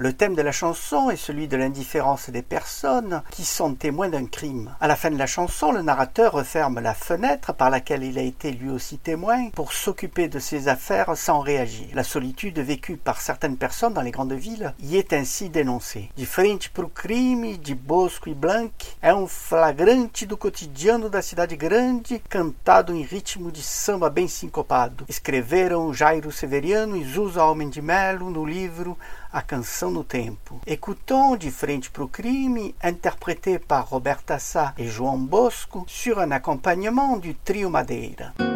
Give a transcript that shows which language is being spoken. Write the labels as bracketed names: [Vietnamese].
[French] Le thème de la chanson est celui de l'indifférence des personnes qui sont témoins d'un crime. À la fin de la chanson, le narrateur referme la fenêtre par laquelle il a été lui aussi témoin pour s'occuper de ses affaires sans réagir. La solitude vécue par certaines personnes dans les grandes villes y est ainsi dénoncée. [Portuguese] De frente pro crime, de Bosco e Blanc, é um flagrante do cotidiano da cidade grande, cantado em ritmo de samba bem sincopado. Escreveram Jairo Severiano e Zuza Homem de Melo no livro A Canção do Tempo. [French] Écoutons De Frente pro Crime, interprété par Roberta Sá e João Bosco, sur un accompagnement du Trio Madeira.